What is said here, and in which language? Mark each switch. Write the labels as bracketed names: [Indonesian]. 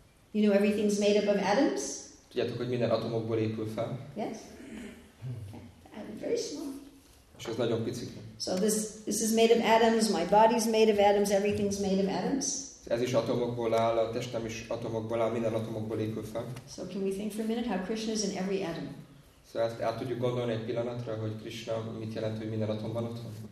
[English] You know everything's made up of atoms? [Hungarian] Tudjátok, hogy minden atomokból épül fel? [English] Yes. Okay. Very small. [Hungarian] És ez nagyon picik. [English] So this is made of atoms, my body's made of atoms, everything's made of atoms. [Hungarian] Ez is atomokból áll, a testem is atomokból áll, minden atomokból épül fel. [English] So can we think for a minute how Krishna is in every atom? [Hungarian] So ezt el tudjuk gondolni egy pillanatra, hogy Krishna mit jelent, hogy minden atomban ott van.